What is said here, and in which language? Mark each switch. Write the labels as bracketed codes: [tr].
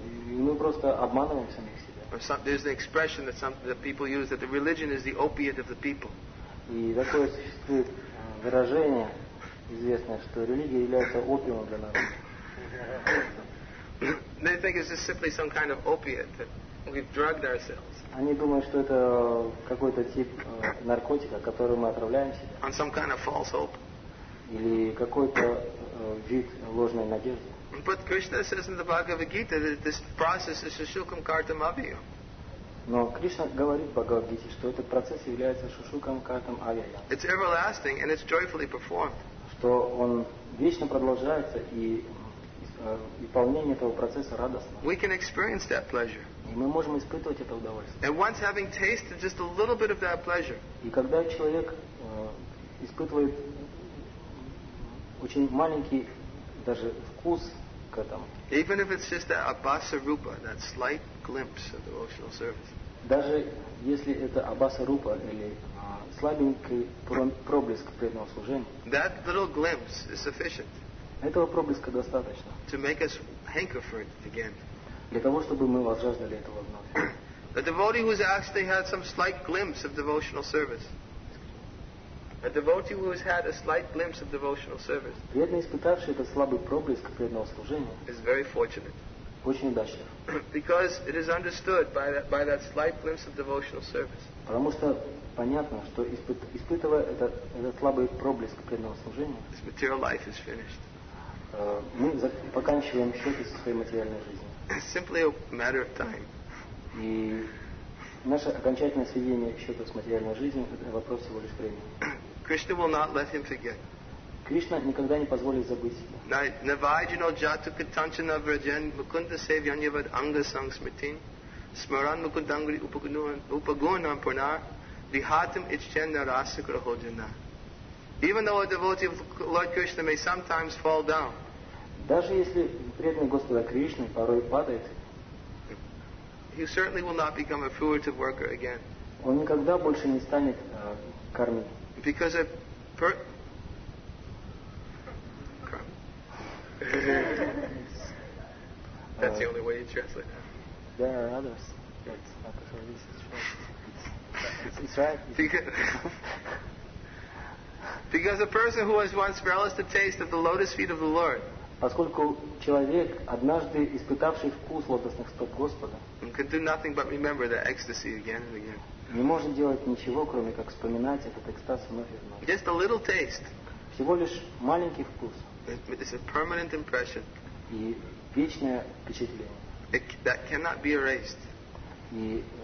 [ru] Мы просто обманываем самих себя. [en] Or some, there's an expression that some that people use that the religion is the opiate of the people. [ru] И такое существует выражение известное, что религия является опиумом для народа. [en] They think it's just simply some kind of opiate that we've drugged ourselves. [ru] Они думают, что это какой-то тип наркотика, которым мы отравляем себя. [en] On some kind of false hope. [ru] Или какой-то вид ложной надежды. [en] But Krishna says in the Bhagavad Gita that this process is [sa] shushukam kartam avyayam. [ru] Но Кришна говорит в Бхагавад Гите, что этот процесс является [sa] шушукам картам авиям. [en] It's everlasting and it's joyfully performed. [ru] Что он вечно продолжается и выполнение этого процесса радостно. [en] We can experience that pleasure. [ru] И мы можем испытывать это удовольствие. [en] And once having tasted just a little bit of that pleasure. [ru] И когда человек испытывает очень маленький даже вкус. [en] Even if it's just that abhasa rupa, that slight glimpse of devotional service. [ru] Даже если это абаса рупа или слабенький проблеск преданного служения. [en] That little glimpse is sufficient. [ru] Этого проблеска достаточно. [en] To make us hanker for it again. [ru] Для того чтобы мы возжаждали этого вновь. [en] A devotee who's actually had some slight glimpse of devotional service. A devotee who has had a slight glimpse of devotional service. [ru] Преданный, испытавший этот слабый проблеск преданного служения, [en] is very fortunate. [ru] Очень удачлив. [en] Because it is understood by that slight glimpse of devotional service. [ru] Потому что понятно, что испытывая этот слабый проблеск преданного служения, [en] his material life is finished. [ru] Мы заканчиваем счеты со своей материальной жизнью. [en] It's simply a matter of time. [ru] И наше окончательное сведение счетов с материальной жизнью – это вопрос всего лишь времени. [en] Krishna will not let him forget. [ru] Кришна никогда не позволит забыть себя. [sa] Navajino jatu katanchana vrajan mukunda sevyanyavad anga sang smritin smaran mukundangri upagunam purnar vihatam ichchen narasakra hojana. [en] Even though a devotee of Lord Krishna may sometimes fall down. [ru] Даже если преданный Господа Кришны порой падает, [en] he certainly will not become a fruitive worker again. [ru] Он никогда больше не станет карми. [en] Because that's the only way you translate that. There are others. That's not the same. It's right. Because a person who has once relished the taste of the lotus feet of the Lord. [ru] Поскольку человек, однажды испытавший вкус лотосных стоп Господа, [en] can do nothing but remember that ecstasy again and again. [ru] Не может делать ничего, кроме как вспоминать этот экстаз вновь и вновь. [en] Just a little taste. [ru] Всего лишь маленький вкус. [en] It's a permanent impression. [ru] И вечное впечатление. [en] That cannot be erased. [ru] И